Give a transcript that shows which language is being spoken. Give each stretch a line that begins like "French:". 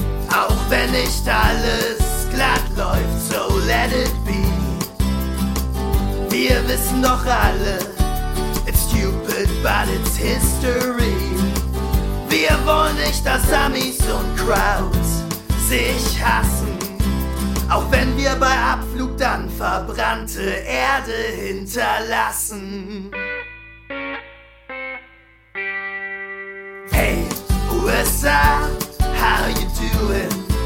German: Auch wenn nicht alles glatt läuft,
English: so let it be.
German: Wir wissen doch alle,
English: it's stupid, but it's history.
German: Wir wollen nicht, dass Amis und Crowds sich hassen. Auch wenn wir bei Abflug dann verbrannte Erde hinterlassen.
English: Hey, USA, how you doing?